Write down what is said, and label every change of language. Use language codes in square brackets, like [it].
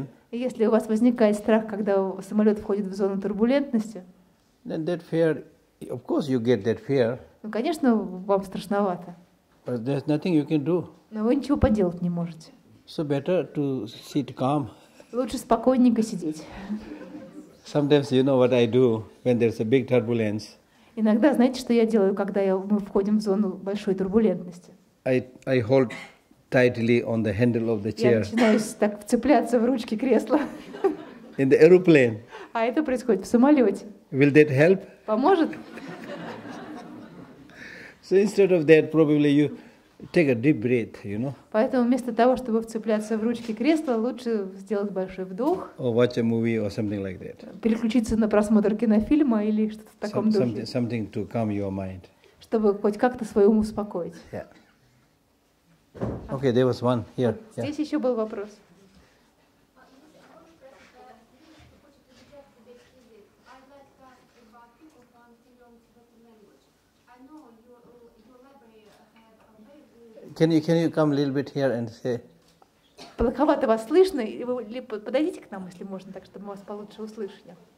[ru] Если у вас возникает страх, когда самолет входит в зону турбулентности, [en] then that fear, of course you get that fear. [ru] Ну, конечно, вам страшновато. [en] But there's nothing you can do. [ru] Но вы ничего поделать не можете. [en] So better to sit calm. [ru] Лучше спокойненько сидеть. [en] Sometimes you know what I do when there's a big turbulence. [ru] Иногда знаете, что я делаю, когда мы входим в зону большой турбулентности? [en] I hold tightly on the handle of the chair. [ru] Я начинаю так вцепляться в ручки кресла. [en] In the aeroplane. [ru] А это происходит в самолете. [en] Will that help? [ru] Поможет? [en] So instead of that, probably you take a deep breath, you know. [ru] Поэтому вместо того, чтобы вцепляться в ручки кресла, лучше сделать большой вдох. [en] Or watch a movie or something like that. [ru] Переключиться на просмотр кинофильма или что-то в таком духе. [en] Something to calm your mind. [ru] Чтобы хоть как-то свой ум успокоить. [en] Yeah. Okay, there was one here. [ru] Вот здесь еще был вопрос. [en] Can you come a little bit here and say? [ru] Плоховато вас слышно, и вы либо подойдите к нам, если можно, так чтобы мы вас получше услышали.